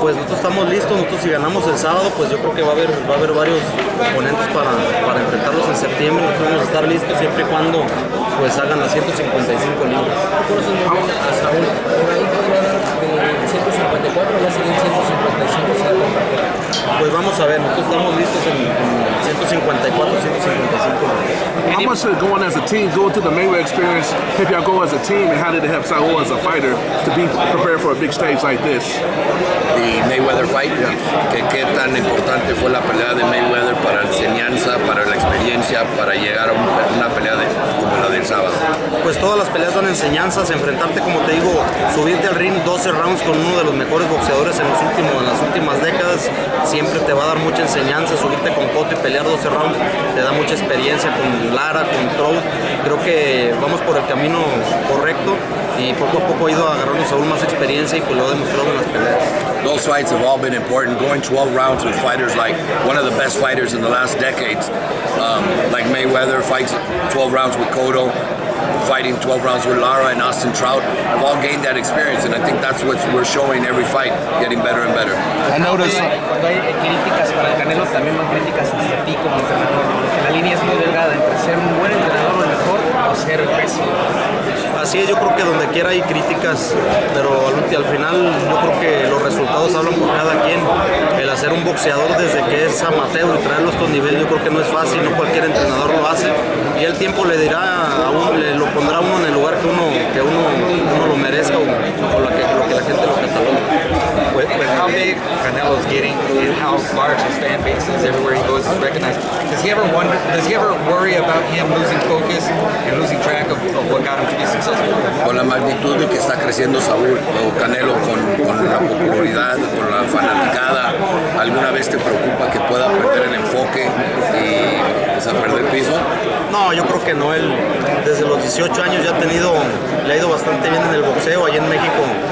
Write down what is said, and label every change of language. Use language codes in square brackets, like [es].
[es] Pues nosotros estamos listos, nosotros si ganamos el sábado, pues yo creo que va a haber varios oponentes para enfrentarlos en septiembre, nosotros vamos a estar listos siempre y cuando pues hagan las 155 libras. ¿Por eso no vamos a Saúl? ¿Por ahí podrían de 154 ya serían 155 sea? Pues vamos a ver, nosotros estamos listos en 154, 155. [en] How much did it go on as a team, go to the Mayweather experience, if y'all go as a team, and how did it help Saúl as a fighter to be prepared for a big stage like this? The Mayweather fight, yeah. [es] ¿Qué tan importante fue la pelea de Mayweather para la enseñanza, para la experiencia, para llegar a una pelea como la del sábado? Pues todas las peleas son enseñanzas, enfrentarte, como te digo, subirte al ring 12 rounds con uno de los mejores boxeadores en las últimas décadas, siempre te va a dar mucha enseñanza, subirte con Cotto y pelear 12 rounds, te da mucha experiencia con Lara, con Trout. Creo que vamos por el camino correcto y poco a poco ha ido agarrando aún más experiencia y pues lo ha demostrado en las peleas. [en] Those fights have all been important. Going 12 rounds with fighters like one of the best fighters in the last decades, like Mayweather, fights 12 rounds with Cotto, fighting 12 rounds with Lara and Austin Trout, have all gained that experience, and I think that's what we're showing every fight, getting better and better. I noticed. [es] Cuando hay críticas para el Canelo, también más críticas hacia ti como entrenador. La línea es muy delgada entre ser un buen entrenador o el mejor o ser pésimo. Así es, yo creo que donde quiera hay críticas, pero al final yo creo que los resultados hablan por cada quien. El hacer un boxeador desde que es amateur y traerlo a estos niveles, yo creo que no es fácil, no cualquier entrenador lo hace. Y el tiempo le dirá a uno, le lo pondrá uno en el lugar que uno lo merezca o lo que la gente lo catalogue. [en] With how big Canelo is getting and how large his fan base is everywhere he goes, is recognized. Does he ever worry about him losing focus and losing track of what got him to be successful? [es] Con la magnitud de que está creciendo Saúl o Canelo con la popularidad, con la fanaticada, ¿alguna vez te preocupa que pueda perder el enfoque y pues, a perder piso? No, yo creo que no. Él desde los 18 años ya le ha ido bastante bien en el boxeo ahí en México.